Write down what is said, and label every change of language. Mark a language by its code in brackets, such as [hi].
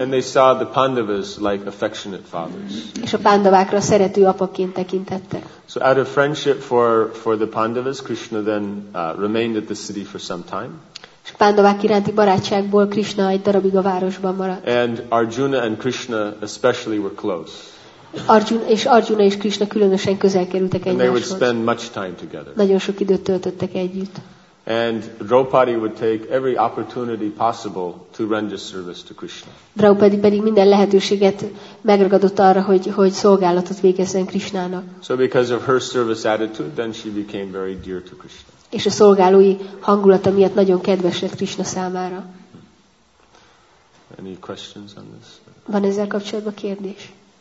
[en] And they saw the Pandavas like affectionate fathers. [hu] És a pándavákra szerető apaként tekintettek. [en] So out of friendship for the Pandavas, Krishna then remained at the city for some time. [hu] És a pándavák iránti barátságból Krishna egy darabig a városban maradt. [en] And Arjuna and Krishna especially were close. [hu] Arjuna és Krishna különösen közel kerültek egymáshoz. [en] They would spend much time together. [hu] Nagyon sok időt töltöttek együtt. [en] And Draupadi would take every opportunity possible to render service to Krishna. [hu] Draupadi pedig minden lehetőséget megragadott arra, hogy szolgálatot végezzen Krishnának. [en] So because of her service attitude, then she became very dear to Krishna. [hu] És a szolgálói hangulata miatt nagyon kedves lett Krishna számára. [en] Any questions on this? [hu] Van ezzel kapcsolatban kérdés?